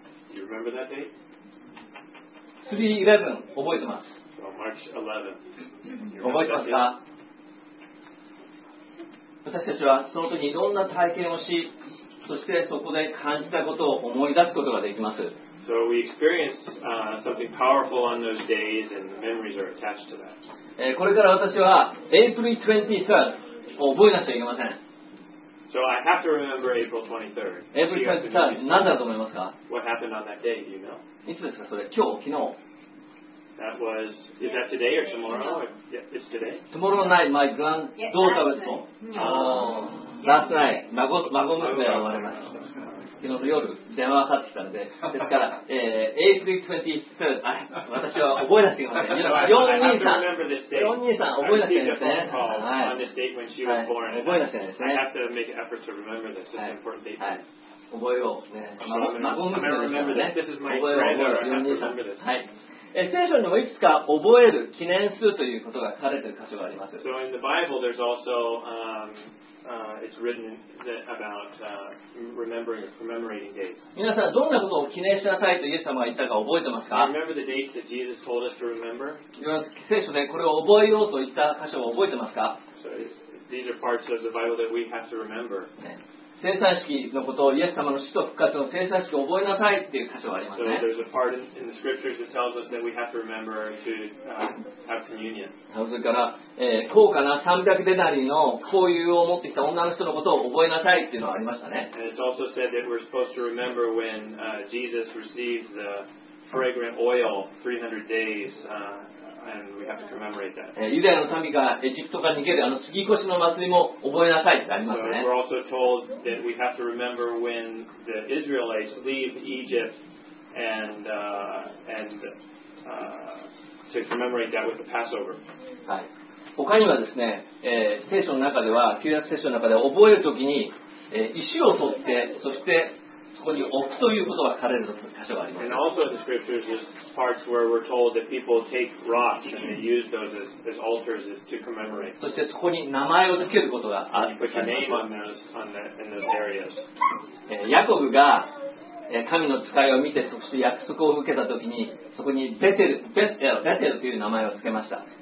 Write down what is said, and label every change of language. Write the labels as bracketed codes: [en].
[en] Do you remember that date? [ja] 3/11 覚えてます。 [en] So March 11. [ja] 覚えてますか? 私たちはその時にどんな体験をし、そしてそこで感じたことを思い出すことができます。 [en] So we experienced something powerful on those days and the memories are attached to that. [ja] これから私は April 23rd を覚えなきゃいけません。 [en] So I have to remember April 23rd. [ja] April 23rd, 何だと思いますか? [en] What happened on that day, do you know? [ja] いつですかそれ?今日、昨日? [en] That was, is that today or tomorrow? Yeah. Yeah, it's today. Tomorrow night, my granddaughter was born. Last night, [ja] 孫娘が生まれました。昨日の夜、電話がかかってきたんで。ですから、April 23rd, 私は覚えなきゃいけません。 423、423、覚えなきゃいけませんね。 [en] はい。On this date when she was born. [ja] 覚えなきゃいけませんね。 [en] I have to make an effort to remember this. It's an important date. [ja] はい。覚えよう。孫娘が生まれました。覚えよう。423。はい。聖書にもいくつか覚える、記念するということが書かれている箇所があります。 [en] So in the Bible, there's also, it's written about remembering dates. [ja] 皆さん、どんなことを記念しなさいとイエス様が言ったか覚えてますか? [en] Remember the dates that Jesus told us to remember? [ja] 聖書でこれを覚えようと言った箇所を覚えてますか? [en] So these are parts of the Bible that we have to remember. [ja] 生産式のことをイエス様の死と復活の生産式を覚えなさいっていう箇所がありますね。 [en] So there's a part in the scriptures that tells us that we have to remember to have communion. [ja] それから、高価な300デナリの香油を持ってきた女の人のことを覚えなさいっていうのがありましたね。 [en] And it's also said that we're supposed to remember when Jesus received the fragrant oil 300 days, and we have to commemorate that. [ja] ユダヤの民がエジプトから逃げるあの杉越の祭りも覚えなさいってありますね。 [en] So we're also told that we have to remember when the Israelites leave Egypt and to commemorate that with the Passover. [ja] はい。他にはですね、聖書の中では、旧約聖書の中で覚えるときに、石を取って、そしてそこに置くということが書かれる箇所があります。 [en] And also the scriptures is parts where we're told that people take rocks and they use those as altars to commemorate. [ja] そしてそこに名前を付けることがあります。 [en] Put your name in those areas. [ja] ヤコブが神の使いを見てそして約束を受けたときにそこにベテルという名前を付けました。